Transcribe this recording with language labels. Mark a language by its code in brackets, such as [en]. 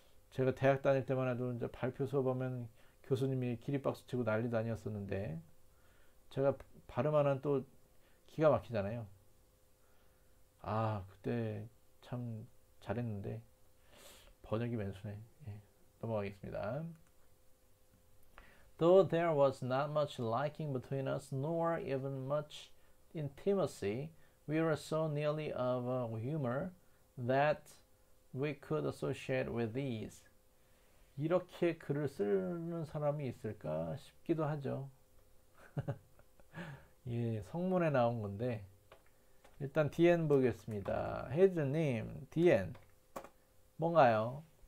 [ko] 제가 대학 다닐 때만 해도 이제 발표 수업하면 교수님이 기립박수 치고 난리도 아니었었는데, 제가 발음 하나 또 기가 막히잖아요. 아, 그때 참 잘했는데, 번역이 맨손에. 예, 넘어가겠습니다. [en] Though there was not much liking between us, nor even much intimacy, we were so nearly of a humor that we could associate with ease. [ko] 이렇게 글을 쓰는 사람이 있을까 싶기도 하죠. 예, 성문에 나온 건데. 일단 DN 보겠습니다. 혜즈님, DN. 뭔가요?